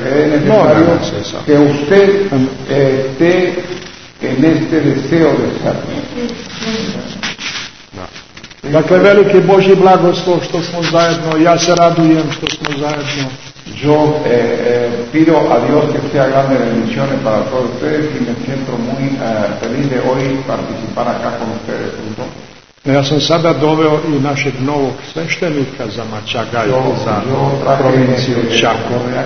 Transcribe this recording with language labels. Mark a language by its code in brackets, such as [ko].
[es] Es necesario que usted esté en este deseo de ser. [sr] Dakle, veliki Boži blagoslov što smo zajedno, ja se radujem što smo zajedno. [es] Yo pido a Dios que sea grande bendiciones para todos ustedes y me siento muy feliz de hoy participar acá con ustedes juntos. [sr] Ja sam sada doveo i našeg novog sveštenika za Mačagaj, za provinciju Čako.